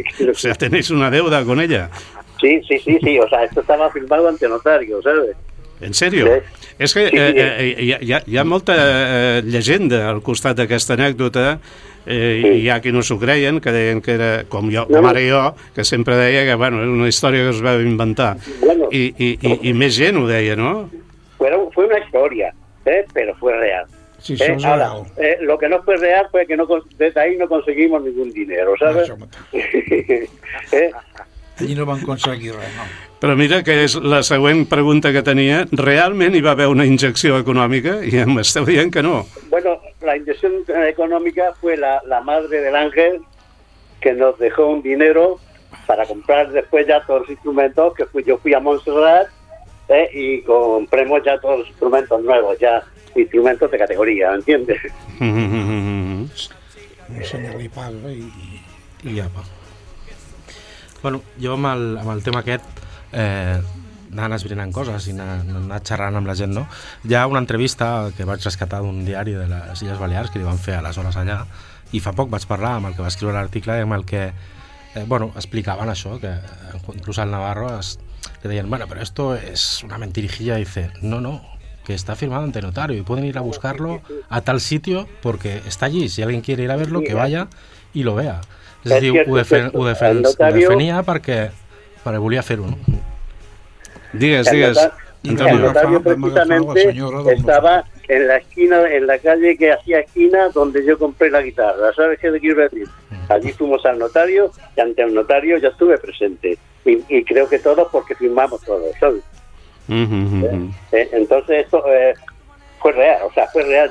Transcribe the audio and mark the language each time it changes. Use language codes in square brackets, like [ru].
[es] O sea, tenéis una deuda con ella. Sí, o sea, esto estaba firmado ante notario, ¿sabes? En serio? Sí. [ca] És que hi ha molta llegenda al costat d'aquesta anècdota, sí. Hi ha qui no s'ho creien, que deien que era, com jo, com ara jo, que sempre deia que, bueno, era una història que es va inventar. Bueno, I més gent ho deia, no? [es] Fue una [ca] història, però [es] fue real. [ca] Sí, això és real. [es] Lo que no fue real fue que no, desde ahí no conseguimos ningún dinero, ¿sabes? [ca] Allí no van aconseguir res, no. Però mira, que és la següent pregunta que tenia. Realment hi va haver una injecció econòmica? I em esteu dient que no. [es] Bueno, [ca] la injecció econòmica [es] fue la madre del ángel que nos dejó un dinero para comprar después ya todos los instrumentos, que yo fui a Montserrat y compremos ya todos los instrumentos nuevos, ya instrumentos de categoría, ¿entiendes? [ca] Un senyor li paga i ja va. Bueno, jo amb el tema aquest anant esbrinant coses i anant xerrant amb la gent, no? Hi ha una entrevista que vaig rescatar d'un diari de les Illes Balears que li van fer a les hores allà, i fa poc vaig parlar amb el que va escriure l'article i amb el que bueno, explicaven això, que inclús al Navarro li deien, bueno, però [es] esto es una mentirijilla, i dice, no, que está firmado ante notario y pueden ir a buscarlo a tal sitio porque está allí, si alguien quiere ir a verlo, que vaya y lo vea. [ca] És a dir, ho defenia perquè volia fer-ho, no? Digues. [es] El notario precisamente estaba en la esquina, en la calle que hacía esquina donde yo compré la guitarra, ¿sabes qué te quiero decir? Allí fuimos al notario y ante el notario yo estuve presente. Y creo que todos, porque firmamos todos, ¿sabes? Entonces esto fue real, o sea, fue real.